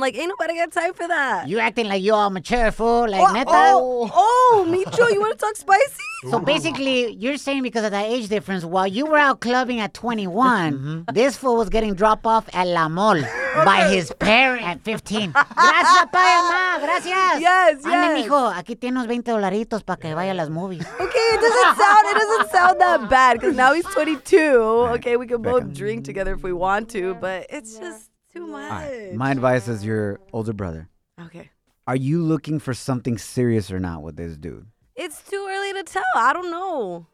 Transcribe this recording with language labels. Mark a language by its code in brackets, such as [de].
[en] Like, ain't nobody got time for that. You acting like you all mature, fool, like, neta? Oh, Micho, you want to talk spicy? So basically, you're saying because of that age difference, while you were out clubbing at 21, this fool was getting dropped off at La Mole by his parent at 15. [es] Gracias, papá y mamá, gracias. [en] Yes, yes. [es] Ande, mijo, aquí tienes 20 dolaritos para que vaya a las movies. [en] Okay, it doesn't sound that bad, because now he's 22. Okay, we can both drink together if we want to, but it's just too much. All right. My advice is your older brother. Okay. Are you looking for something serious or not with this dude? It's too early to tell. I don't know.